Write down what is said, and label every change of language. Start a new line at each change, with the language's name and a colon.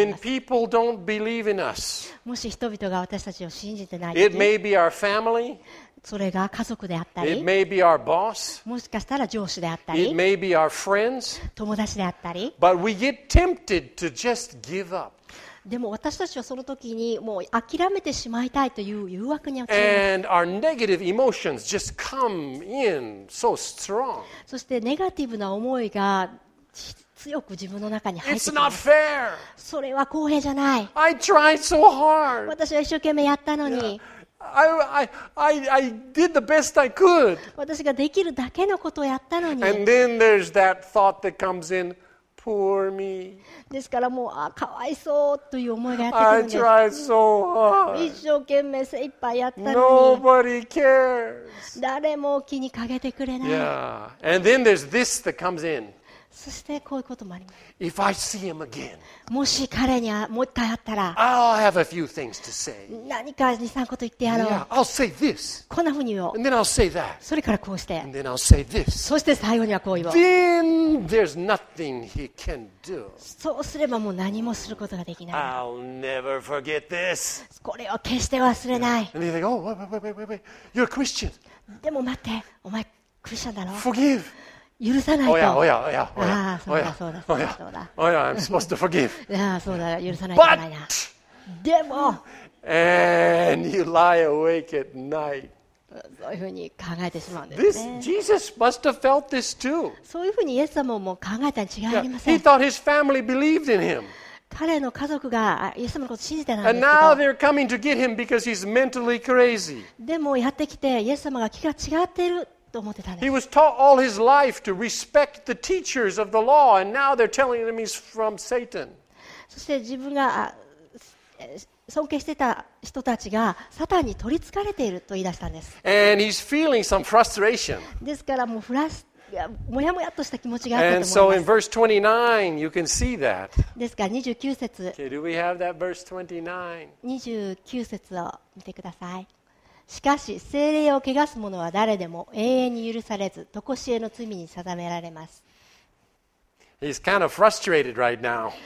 Japanese: います。
English: When people don't believe in us.
Japanese: もし人々が私たちを信じてない。
English: It may be our family.
Japanese: それが家族であったり
English: It may be our boss.
Japanese: もしかしたら上司であったり
English: It may be our friends.
Japanese: 友達であったり
English: But we get tempted to just give up.
Japanese: でも私たちはその時にもう諦めてしまいたいという誘惑に
English: And our negative emotions just come in so strong.
Japanese: そしてネガティブな思いが強く自分の中に入ってきます
English: It's not fair.
Japanese: それは公平じゃない
English: I tried so hard.
Japanese: 私は一生懸命やったのに、
English: yeah. I did the best I could.
Japanese: 私ができるだけのことをやったのに。
English: And then there's that thought that comes in, poor me.
Japanese: ですからもう、かわいそうという思いがやってくるんです。
English: I tried so hard.
Japanese: 一生懸命精一杯やったのに。
English: Nobody cares.
Japanese: 誰も気にかけてくれない。
English: Yeah. And then there's this that comes in.
Japanese: そしてこういうこともあります。
English: If I see him again,
Japanese: もし彼にもう一回会ったら、
English: I'll have a few things to say.
Japanese: 何か二三こと言ってやろう。
English: Yeah, I'll say this.
Japanese: こんなふうに言おう。
English: And then I'll say that.
Japanese: それからこうして。
English: And then I'll say this.
Japanese: そして最後にはこう言おう。
English: Then there's nothing he can do.
Japanese: そうすればもう何もすることができない。
English: I'll never forget this.
Japanese: これを決して忘れない。
English: And they go, oh, wait. You're a Christian.
Japanese: でも待って、お前クリスチャンだろ。
English: Forgive.
Japanese: 許さないと。
English: Oh yeah. I'm supposed to forgive.
Japanese: Yeah, そうだ。許さないといけないな。
English: But
Japanese: でも。
English: And you lie awake at night.
Japanese: そういうふうに考えてしまうんですね。
English: This Jesus must have felt this too.
Japanese: そういうふうにイエス様も考えたに違いありません。
English: Yeah, he thought his family believed in him.
Japanese: 彼の家族がイエス様のことを信じてたんですけど。
English: And now they're coming to get him because he's mentally crazy.
Japanese: でもやってきてイエス様が気が違ってる。
English: He was taught all his life to respect the teachers of the law, and now they're telling him he's from Satan.
Japanese: そして自分が尊敬してた人たちがサタンに取り憑かれていると言い出したんです。
English: And he's feeling some frustration.
Japanese: ですからもうフラスもやもやとした気持ちがあったと思います。
English: And so、in verse 29,
Japanese: ですから29節。
English: Okay, do we have that verse 29?
Japanese: 29節を見てください。しかし聖霊を汚す者は誰でも永遠に許されず、とこしえの罪に定められます。
English: He's kind of frustrated right now.